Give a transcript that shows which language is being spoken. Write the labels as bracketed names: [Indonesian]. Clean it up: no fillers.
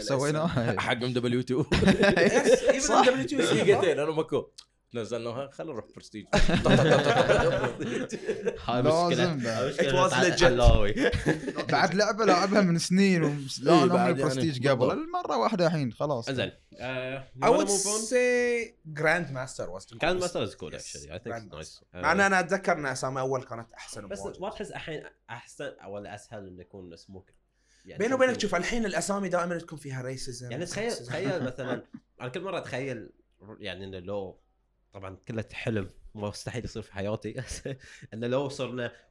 [Arabic] سوينا حق ام دبليو 2 [English] yes M W 2 [Arabic] دقيقتين انا ماكو نزلناها خلينا نروح برستيج هاي مشكله [English] it was legend [Arabic] بعد لعبه لعبها من سنين لا نعمل برستيج قبل المره واحده الحين خلاص انزل [English] I would say Grandmaster was cool. Grandmaster is cool actually. I think it's nice. [Arabic] معنى أنا أتذكر إن أسامي أول كانت أحسن. بس واضح الحين أحسن أو أسهل إن يكون اسمك. بينه وبينك شوف الحين الأسامي دائما تكون فيها racism. يعني تخيل مثلاً أنا كل مرة أتخيل يعني إن لو طبعاً كله حلم مستحيل يصير في حياتي إن لو صرنا